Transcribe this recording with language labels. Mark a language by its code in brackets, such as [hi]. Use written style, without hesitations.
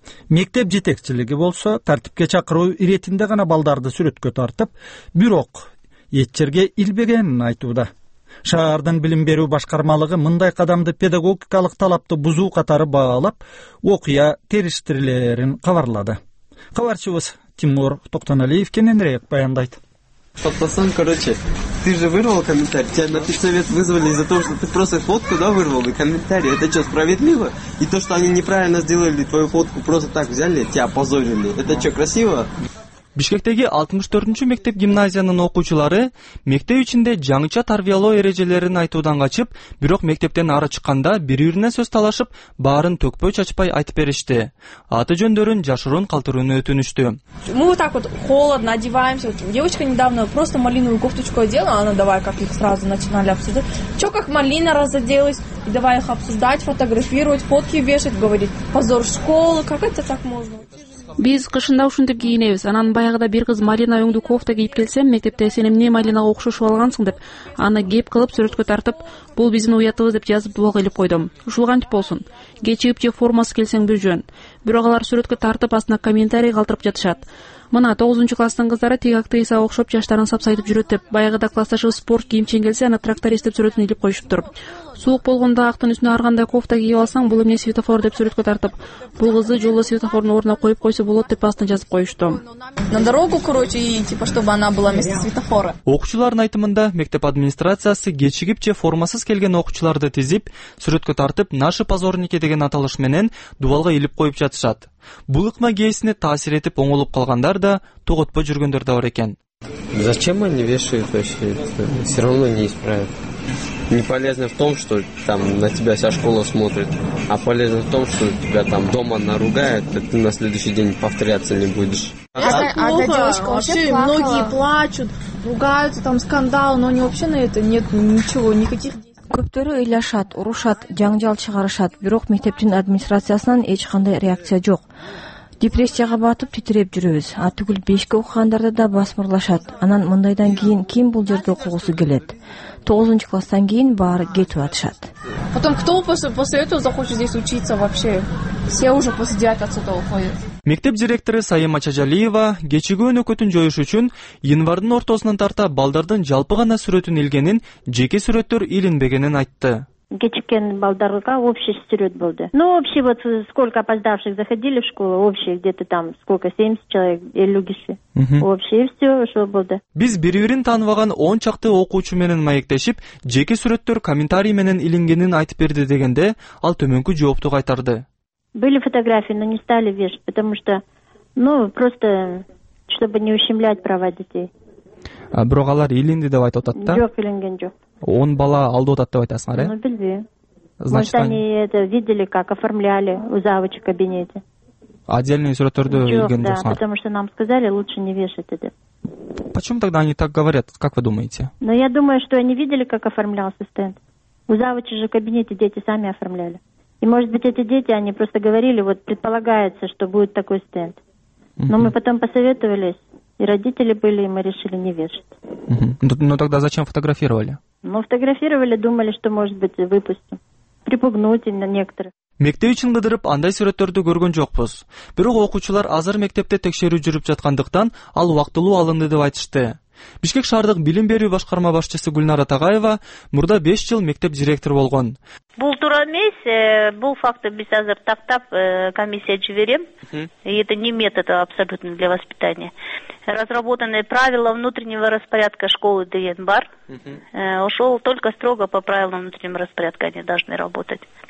[ky] Мектеп жетекчилиги болсо, тартипке чакыруу иретинде гана балдарды сүрөткө тартып, бирок эч жерге илбегенин айтууда. Шаардын билим берүү башкармалыгы мындай кадамды педагогикалык талапты бузуу катары баалап, окуя териштирилерин кабарлады. Кабарчыбыз Тимур Токтоналиев кененирээк баяндайт. [ru] Сотосун, короче, ты же вырвал комментарий, тебя на педсовет вызвали из-за того, что ты просто фотку, да, вырвал, и комментарий, это что, справедливо? И то, что они неправильно сделали твою фотку, просто так взяли, тебя позорили, это что, красиво? [ky] Бишкектеги 64-cü мектеп гимназиянын окуучулары мектеп ичинде жаңыча тарбиялоо эрежелерин айтуудан качып, бирок мектептен ары чыкканда бири-бирине сөз талашып, баарын төкпөй чачпай айтып беришти. Аты жөндөрүн жашыруун калтырууну өтүнүштү. [ru] Мы вот так вот холодно одеваемся. Девочка недавно просто малиновую кофточку одела, она давай как их сразу начинали обсуждать. Чё как малина разоделась? И давай их обсуждать, фотографировать, фотки вешать, говорить. Позор школы, как это так можно? [ky] Биз кышында ушинтип кийинебиз. Анан баягыда бир кыз малина өңдүү кофта кийип келсем, мектепте сен эмне малинага окшошуп алгансың деп, аны кеп кылып сүрөткө тартып, бул биздин уятыбыз деп жазып блог элеп койдум. Ушул кантип болсун? Кечигип же формасы келсең бир жөн. Бирок алар сүрөткө тартып, астына комментарий калтырып жатышат. Мына 9-cü класстын кыздары тиги актрисага окшоп жаштарын сапсайтып жүрөт деп, баягыда классташыбыз спорт кийим чейин келсе, аны тракторист деп сүрөтүн илип коюшуптур. Суук болгондо актын үстүнө ар кандай кофта кийип алсаң, бул эмне светофор деп сүрөткө тартып, бул кызды жолдо светофордун ордуна коюп койсо болот деп астына жазып коюшту. На дорогу, короче, и типа, чтобы она была вместо светофора. Окуучулардын айтымында мектеп администрациясы кечигип же формасыз келген окуучуларды тизип, сүрөткө тартып, наши позорники деген аталыш менен дубалга илип коюп жатышат. Бул ыкма кээсине таасир этип оңолуп калгандар да, тоготпой жүргөндөр да бар экен. [ru] Зачем они вешают вообще? Все равно не исправят. не полезно в том, что там на тебя вся школа смотрит, а полезно в том, что тебя там дома наругают, и ты на следующий день повторяться не будешь. Плохо, многие плачут, ругаются, там скандал, но они вообще на это нет ничего, никаких действий. [ky] Көптөрү ыйлашат, урушат, жаңжал чыгарышат, бирок мектептин администрациясынан эч кандай реакция жок. Депрессияга батып титиреп жүрөбүз. А түгүл бешке окугандарды да басмырлашат. Анан мындайдан кийин ким бул жерде окугусу келет? 9-чу класстан кийин баары кетип атышат. [ru] Потом кто после этого захочет здесь учиться вообще? Все уже после 9-го уходят. [ky] Мектеп директору Сайыма Чажалиева кечигүүнү көтүн жоюш үчүн январдын ортосунан тарта балдардын жалпы гана сүрөтүн илгенин, жеке сүрөттөр илинбегенин айтты. Кечиккен балдарга общий сүрөт болду. [ru] Ну, общий вот сколько опоздавших заходили в школу, общий где-то там сколько 70 человек, 50 киши. [ky] Общий всё ошо болду. Биз бири-бирин тааныбаган 10 чакты окуучу менен маектешип, жеке сүрөттөр комментарий менен илингенин айтып берди дегенде, ал төмөнкү жоопту кайтарды. [ru] Были фотографии, но не стали вешать, потому что, ну, просто, чтобы не ущемлять права детей. [ky] А бирогалар илинди деп айтып атат да? Жок, илинген жок. 10 бала алды атат деп айтасың, ары? Ну, билбейм. [ru] Может, они это видели, как оформляли у завуча в кабинете. [ky] Отдельные сюрреттерды илген жоксуңар? [ru] Жок, да, потому что нам сказали, лучше не вешать это. Почему тогда они так говорят, как вы думаете? Ну, я думаю, что они видели, как оформлялся стенд. У завуча же в кабинете дети сами оформляли. И, может быть, эти дети, они просто говорили, вот предполагается, что будет такой стенд. Но мы потом посоветовались, и родители были, и мы решили не вешать. Но тогда зачем фотографировали? Ну, фотографировали, думали, что, может быть, выпустим. Припугнуть на некоторых. [ky] Мектеп үчүн кыдырып, андай сүрөттөрдү көргөн жокпуз. Бирок окуучулар азыр мектепте текшерүү жүрүп жаткандыктан, ал убактылуу алынды деп айтышты. Бишкек шаардык билим берүү башкарма башчысы Гүлнара Тагаева мурда 5 жыл мектеп директору болгон. Бул туура эмес, бул факты биз азыр тактап комиссия жиберем. [ru] Это не метод абсолютно для воспитания. Разработаны правила внутреннего распорядка школы деген бар. Ошол только строго по правилам внутреннего распорядка они должны работать.